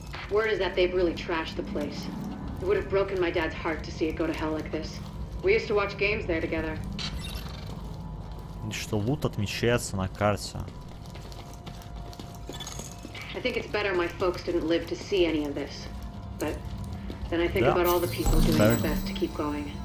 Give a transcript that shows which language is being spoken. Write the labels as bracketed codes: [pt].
[en] Word is that they've really trashed the place. It would have broken my dad's heart to see it go to hell like this. We used to watch games there together. [ru] Что лут отмечается на карте? [en] I think it's better my folks didn't live to see any of this, but. Then I think about all the people doing their best to keep going.